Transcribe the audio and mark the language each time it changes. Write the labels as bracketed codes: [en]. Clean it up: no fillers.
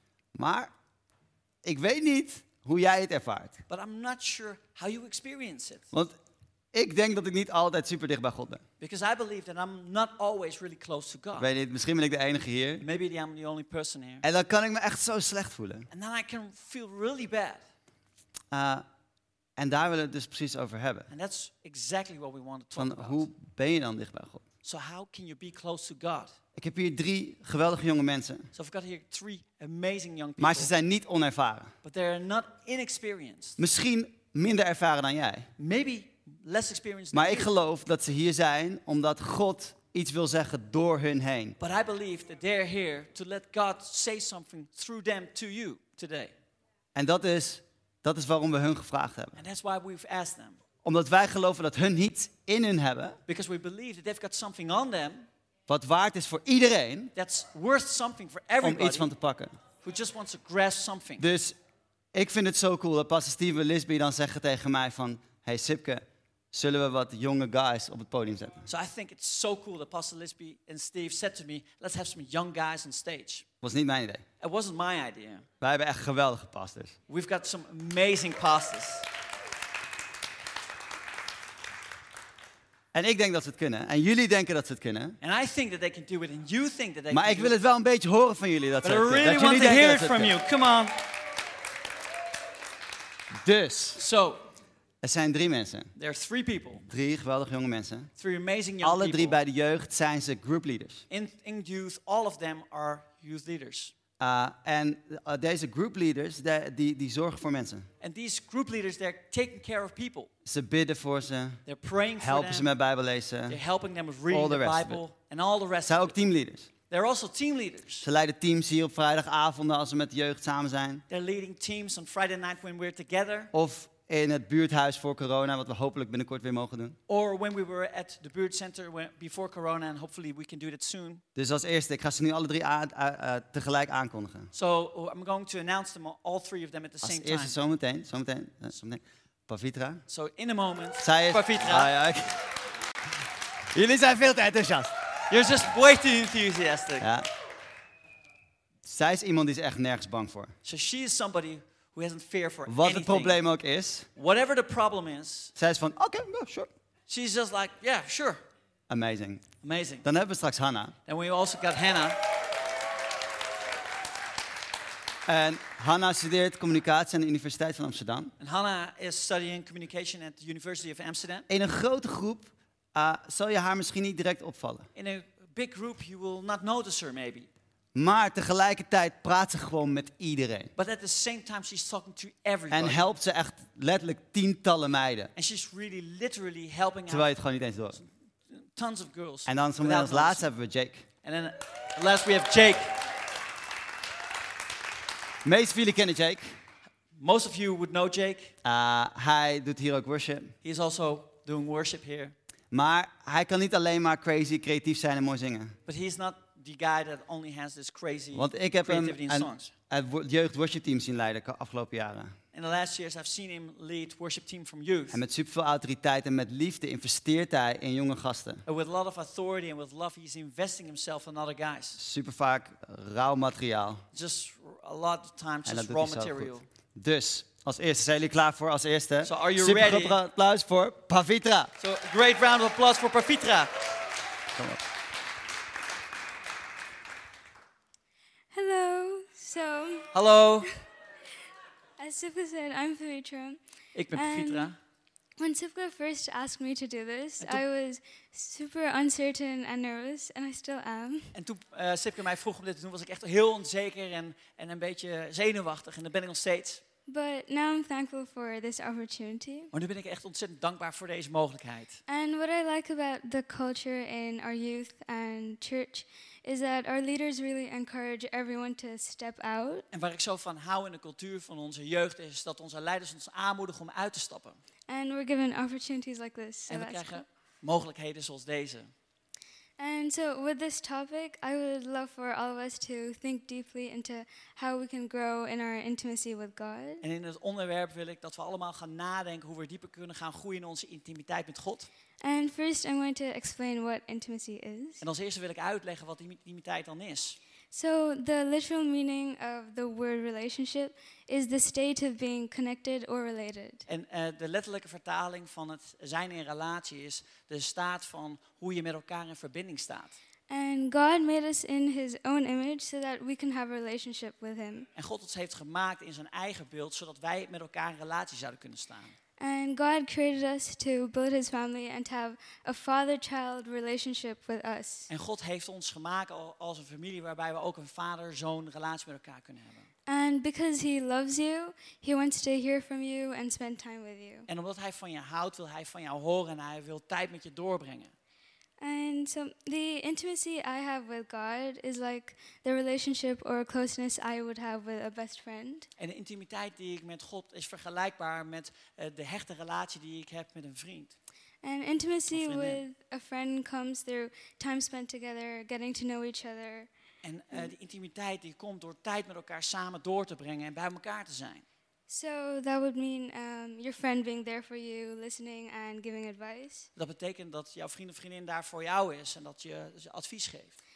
[nl] Maar ik weet niet hoe jij het ervaart. [en] But I'm not sure how you experience it. [nl] Want ik denk dat ik niet altijd super dicht bij God ben. [en] Because I believe that I'm not always really close to God. [nl] Weet niet, misschien ben ik de enige hier. [en] Maybe I'm the only person here. [nl] En dan kan ik me echt zo slecht voelen. [en] And then I can feel really bad. [nl] En daar willen we het dus precies over hebben. [en] And that's exactly what we want to talk [nl] van [en] about. [nl] Hoe ben je dan dicht bij God? [en] So how can you be close to God? [nl] Ik heb hier drie geweldige jonge mensen. [en] So I've got here three amazing young people. [nl] Maar ze zijn niet onervaren. [en] But they're not inexperienced. [nl] Misschien minder ervaren dan jij. [en] Maybe less experienced. [nl] Maar [en] than [nl] ik geloof dat ze hier zijn omdat God iets wil zeggen door hun heen. [en] But I believe that they're here to let God say something through them to you today. [nl] En dat is waarom we hun gevraagd hebben. [en] And that's why we've asked them. [nl] Omdat wij geloven dat hun iets in hun hebben. [en] Because we believe that they've got something on them. [nl] Wat waard is voor iedereen. [en] That's worth something for everybody. [nl] Om iets van te pakken. [en] Who just wants to grasp something. [nl] Dus ik vind het zo cool dat Pastor Steven Lisby dan zeggen tegen mij van, hey Sipke, zullen we wat jonge guys op het podium zetten? [en] So I think it's so cool that Pastor Lisby and Steve said to me, let's have some young guys on stage. [nl] Was niet mijn idee. [en] It wasn't my idea. [nl] Wij hebben echt geweldige pastors. [en] We've got some amazing pastors. [nl] En ik denk dat ze het kunnen. En jullie denken dat ze het kunnen. [en] And I think that they can do it and you think that they [nl] maar [en] can [nl] ik wil het wel een beetje horen van jullie dat [en] but [nl] ze het [en] I really [nl] kunnen. [en] Want to hear it from you. Come on. [nl] Dus. [en] So. [nl] Er zijn drie mensen. [en] There are three people. [nl] Drie geweldige jonge mensen. [en] Three amazing young [nl] alle [en] people. [nl] Drie bij de jeugd zijn ze group leaders. [en] In youth, all of them are youth leaders. [nl] En deze group leaders, die zorgen voor mensen. [en] And these group leaders, they're taking care of people. [nl] Ze bidden voor ze. [en] They're praying for [nl] helpen [en] them. [nl] Ze met Bijbel lezen. [en] They're helping them with reading the Bible and all the rest. [nl] Ze zijn ook team leaders. [en] They're also team leaders. [nl] Ze leiden teams hier op vrijdagavonden als ze met de jeugd samen zijn. [en] They're leading teams on Friday night when we're together. [nl] Of in het buurthuis voor corona, wat we hopelijk binnenkort weer mogen doen. [en] Or when we were at the buurtcenter before corona, and hopefully we can do that soon. [nl] Dus als eerste, ik ga ze nu alle drie tegelijk aankondigen. [en] So I'm going to announce them all three of them at the [nl] als [en] same [nl] eerste, [en] time. [nl] Als eerste zometeen. Pavitra. [en] So in a moment. [nl] Zij is Pavitra. Ah, ja, okay. Jullie zijn veel te enthousiast. [en] You're just way too enthusiastic. [nl] Ja. Zij is iemand die is echt nergens bang voor. [en] So she is somebody who hasn't fear for [nl] wat [en] anything. [nl] Het probleem ook is. [en] Whatever the problem is. [nl] Zij is van, okay, [en] yeah, sure. She's just like, yeah, sure. Amazing. Amazing. [nl] Dan hebben we straks Hannah. [en] Then we also got Hannah. [nl] En Hannah studeert communicatie aan de Universiteit van Amsterdam. [en] And Hannah is studying communication at the University of Amsterdam. [nl] In een grote groep zal je haar misschien niet direct opvallen. [en] In a big group you will not notice her maybe. [nl] Maar tegelijkertijd praat ze gewoon met iedereen. [en] But at the same time she's talking to everybody. [nl] En helpt ze echt letterlijk tientallen meiden. [en] And she's really literally helping out. [nl] Terwijl je het gewoon niet eens door. [en] Tons of girls. [nl] En dan zometeen als laatste hebben we Jake. [en] And then last we have Jake. [nl] De meeste van jullie kennen Jake. [en] Most of you would know Jake. [nl] Hij doet hier ook worship. [en] He is also doing worship here. [nl] Maar hij kan niet alleen maar crazy, creatief zijn en mooi zingen. [en] But he is not the guy that only has this crazy creativity in songs. [nl] Want ik heb hem jeugd worship team zien leiden de afgelopen jaren. [en] In the last years I've seen him lead worship team from youth. [nl] En met superveel autoriteit en met liefde investeert hij in jonge gasten. [en] And with a lot of authority and with love he's investing himself in other guys. [nl] Super vaak rauw materiaal. [en] Just a lot of times just raw material. [nl] Dus als eerste zijn jullie klaar voor als eerste. [en] So are you [nl] super [en] ready? [nl] Groot applaus voor Pavitra. [en] So a great round of applause for Pavitra. [nl] Kom op. [en] Hello. So [nl] hallo. [en] As Sivka said, I'm Pavitra. [nl] Ik ben Pavitra. [en] When Sivka first asked me to do this, I was super uncertain and nervous, and I still am. [nl] En toen Sivka mij vroeg om dit te doen, was ik echt heel onzeker en een beetje zenuwachtig, en dat ben ik nog steeds. [en] But now I'm thankful for this opportunity. [nl] Maar nu ben ik echt ontzettend dankbaar voor deze mogelijkheid. [en] And what I like about the culture in our youth and church is that our leaders really encourage everyone to step out. [nl] En waar ik zo van hou in de cultuur van onze jeugd is dat onze leiders ons aanmoedigen om uit te stappen. [en] And we're given opportunities like this. [nl] En we krijgen mogelijkheden zoals deze. [en] And so with this topic, I would love for all of us to think deeply into how we can grow in our intimacy with God. [nl] En in het onderwerp wil ik dat we allemaal gaan nadenken hoe we dieper kunnen gaan groeien in onze intimiteit met God. [en] And first I'm going to explain what intimacy is. [nl] En als eerste wil ik uitleggen wat intimiteit dan is. [en] So the literal meaning of the word relationship is the state of being connected or related. [nl] En de letterlijke vertaling van het zijn in relatie is de staat van hoe je met elkaar in verbinding staat. [en] And God made us in his own image so that we can have a relationship with him. [nl] En God ons heeft gemaakt in zijn eigen beeld zodat wij met elkaar in relatie zouden kunnen staan. [en] And God created us to build his family and to have a father-child relationship with us. [nl] En God heeft ons gemaakt als een familie waarbij we ook een vader-zoon relatie met elkaar kunnen hebben. [en] And because he loves you, he wants to hear from you and spend time with you. [nl] En omdat hij van je houdt, wil hij van jou horen en hij wil tijd met je doorbrengen. [en] And so the intimacy I have with God is like the relationship or closeness I would have with a best friend. [nl] En de intimiteit die ik met God is vergelijkbaar met de hechte relatie die ik heb met een vriend. [en] And intimacy with a friend comes through time spent together, getting to know each other. [nl] En de intimiteit die komt door tijd met elkaar samen door te brengen en bij elkaar te zijn. [en] So that would mean your friend being there for you, listening and giving advice. [nl] Dat betekent dat jouw vriend of vriendin daar voor jou is en dat je advies geeft.